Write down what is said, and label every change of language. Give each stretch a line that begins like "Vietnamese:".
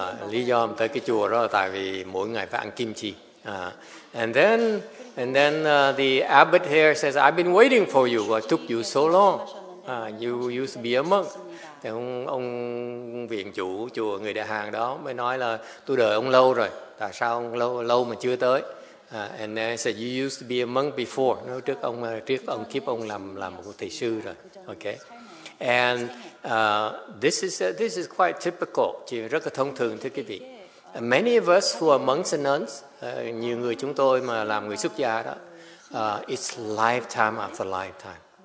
Vietnamese: Lý do ông tới cái chùa đó là tại vì mỗi ngày phải ăn kim chi.
English: And then the abbot here says, I've been waiting for you. What took you so long? You used to be a monk.
Vietnamese: Thì ông viện chủ chùa, người đại hàng đó mới nói là tôi đợi ông lâu rồi. Tại sao ông lâu mà chưa tới?
English: And then he said, you used to be a monk before.
Vietnamese: No, trước ông kiếp ông làm một thầy sư rồi. Okay.
English: And this is quite typical,
Vietnamese: chỉ rất là thông thường thưa quý vị.
English: Many of us who are monks and nuns,
Vietnamese: nhiều người chúng tôi mà làm người xuất gia đó,
English: it's lifetime after lifetime.